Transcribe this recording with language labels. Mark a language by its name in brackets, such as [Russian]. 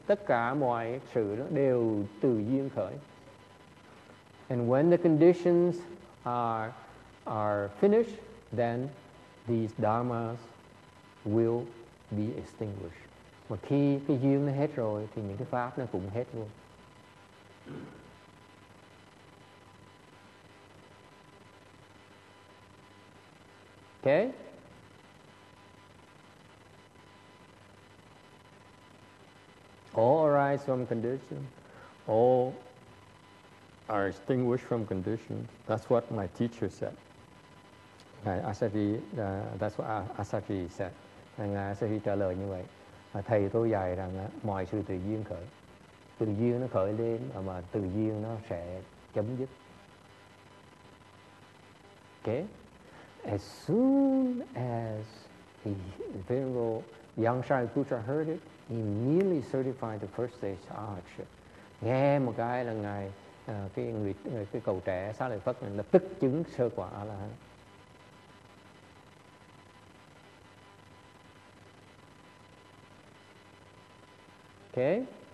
[Vietnamese] Tất cả mọi sự đều từ duyên khởi. [English] And when the conditions are finished, then these dharmas will be extinguished. [Vietnamese] Mà khi cái duyên nó hết rồi, thì những cái pháp nó cũng hết luôn. [English] Okay? All arise from condition. All are extinguished from condition. That's what my teacher said. That's what Asaji said. [Vietnamese] Ngài Asaji trả lời như vậy. Thầy tôi dạy rằng mọi sự tự duyên khởi. Tự duyên nó khởi lên mà tự duyên nó sẽ chấm dứt. [English] Okay? As soon as the venerable Yang Shai Putra heard it, he nearly certified the first stage arahatship. [Vietnamese] Nghe một cái là ngài cái cậu trẻ Xá Lợi Phất là tức chứng sơ quả a la hán. [English] Okay.